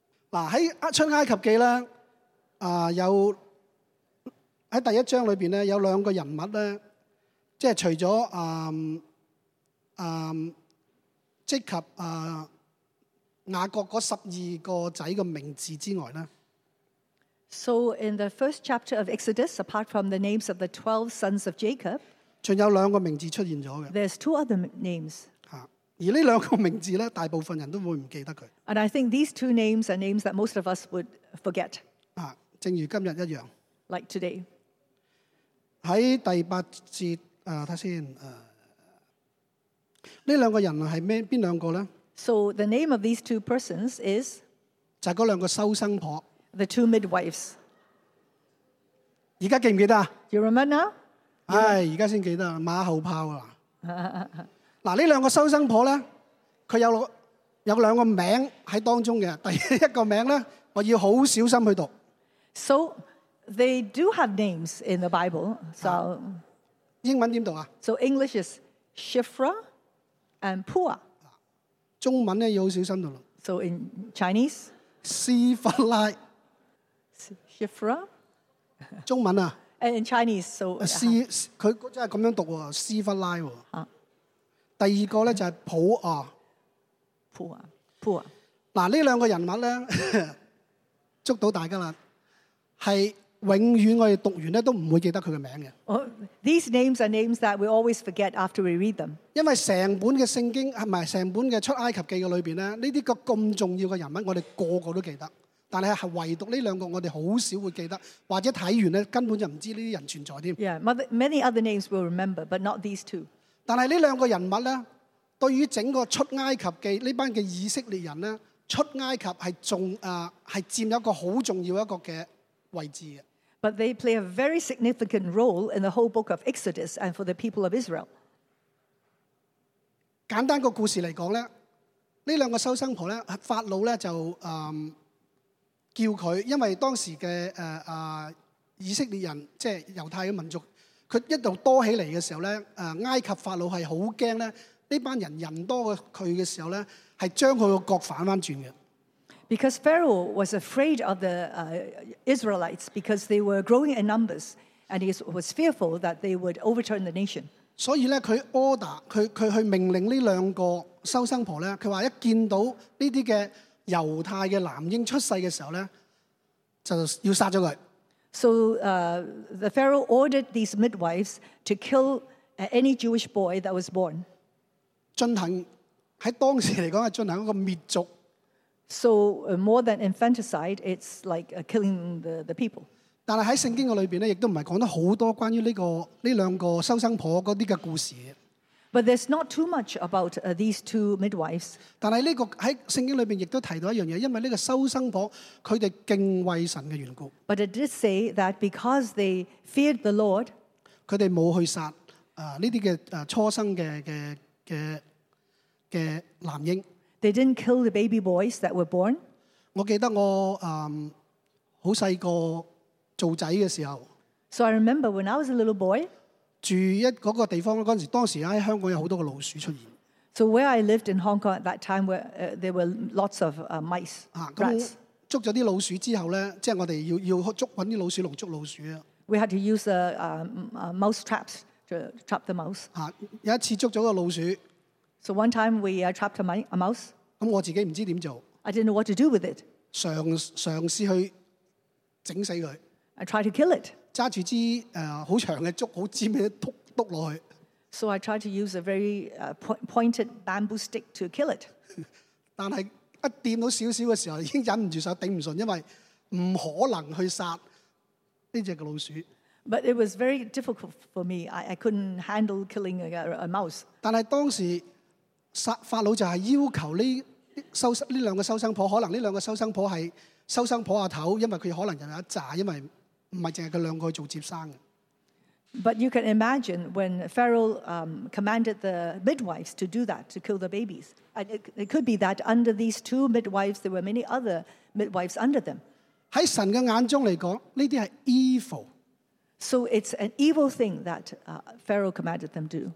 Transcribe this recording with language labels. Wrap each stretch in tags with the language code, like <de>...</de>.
<zh>嗱喺出埃及记咧。有在第一章里面呢有两个人物呢即除了即及雅各那十二个仔的名字之外呢</zh> <en>So in the first chapter of Exodus, apart from the names of the 12 sons of Jacob,</en> <zh>還有两个名字出现了的</zh> <en>There's two other names.</en> <zh>而呢兩個名字呢大部分人都會唔記得佢。</zh> <en>And I think these two names are names that most of us would forget.</en> <zh>正如今日一樣</zh> <en>，like today</en> <zh>喺第八節睇先呢兩個人係咩？邊兩個咧</zh> <en>？So the name of these two persons is</en> <zh>就係嗰兩個收生婆</zh> <en>，the two midwives。</en> <zh>而家記唔記得啊</zh> <en>？You remember now？</en> <zh>唉，而家先記得馬後炮啊！嗱，呢兩個收生婆咧，佢有兩個名喺當中嘅。第一個名咧，我要好小心去讀。</zh> <en>So they do have names in the Bible. So</en> <zh>英文點讀啊</zh> <en>？So English is Shifra and Pua.</en> <zh>中文咧要好小心讀咯。</zh> <en>So in Chinese,</en> <zh>Shifalai.</zh> <en>Shifra.</en> <zh>中文啊</zh> <en>？And in Chinese, so</en> <zh>Shi 佢真係咁樣讀喎 ，Shifalai 喎。第二個咧就係普亞。普亞，普亞。嗱呢兩個人物咧，捉到大家啦，係永遠我哋讀完咧都唔會記得佢嘅名嘅。</zh> <en>These names are names that we always forget after we read them。</en> <zh>因為成本嘅聖經係咪成本嘅出埃及記嘅裏邊咧，呢啲個咁重要嘅人物，我哋個個都記得。但係唯獨呢兩個我哋好少會記得，或者睇完咧根本就唔知呢啲人存在添。</zh> <en>Yeah, many other names we'll remember, but not these two。</en> <zh>但係呢兩個人物咧，對於整個出埃及記呢班嘅以色列人咧，出埃及係重係佔一個好重要一個嘅位置嘅。</zh> <en>But they play a very significant role in the whole book of Exodus and for the people of Israel.</en> <zh>簡單個故事嚟講咧，呢兩個修生婆咧，法老咧就叫佢，因為當時嘅以色列人即係猶太嘅民族。佢一度多起嚟嘅時候咧，埃及法老係好驚咧，呢班人多過佢嘅時候咧，係將佢個國反翻轉嘅。</zh> <en>Because Pharaoh was afraid of the Israelites because they were growing in numbers, and he was fearful that they would overturn the nation.</en> <zh>所以咧，佢 order 佢去命令呢兩個修生婆咧，佢話一見到呢啲嘅猶太嘅男嬰出世嘅時候咧，就要殺咗佢。</zh> <en>So the Pharaoh ordered these midwives to kill any Jewish boy that was born.</en> <zh>進行喺當時嚟講係進行一個滅族。</zh> <en>So more than infanticide, it's like killing the people.</en> <zh>但係喺聖經嘅裏邊咧，亦都唔係講得好多關於呢兩個修生婆嗰啲嘅故事。</zh> <en>But there's not too much about these two midwives.</en> <zh>但係呢個喺聖經裏邊亦都提到一樣嘢，因為呢個修生婆佢哋敬畏神嘅緣故。</zh> <en>But it did say that because they feared the Lord,</en> <zh>佢哋冇去殺呢啲嘅初生嘅男嬰。</zh> <en>They didn't kill the baby boys that were born.</en> <zh>我記得我好細個做仔嘅時候。</zh> <en>So I remember when I was a little boy.</en> <zh>住嗰個地方嗰陣時，當時喺香港有好多個老鼠出現。</zh> <en>So where I lived in Hong Kong at that time, where there were lots of mice, rats.</en> <zh>捉咗啲老鼠之後咧，即係我哋要捉揾啲老鼠籠捉老鼠啊。</zh> <en>We had to use the mouse traps to trap the mouse.</en> <zh>有一次捉咗個老鼠。</zh> <en>So one time we trapped a mouse.</en> <zh>咁我自己唔知點做。</zh> <en>I didn't know what to do with it.</en> <zh>嘗試去整死佢。</zh> <en>I tried to kill it.</en> <zh>揸住支好長嘅竹，好尖嘅篤篤落去。</zh> <en>So I tried to use a very pointed bamboo stick to kill it.</en> <zh>但係一掂到少少嘅時候，已經忍唔住手頂唔順，因為唔可能去殺呢只老鼠。</zh> <en>But it was very difficult for me. I couldn't handle killing a mouse.</en> <zh>但係當時法老就係要求呢兩個修生婆，可能呢兩個修生婆係修生婆阿頭，因為佢可能有一紮，因為唔係淨係佢兩個做接生嘅。</zh> <en>But you can imagine when Pharaoh commanded the midwives to do that, to kill the babies. And it could be that under these two midwives, there were many other midwives under them.</en> <zh>喺神嘅眼中嚟講，呢啲係 evil.</zh> <en>So it's an evil thing that Pharaoh commanded them to.</en>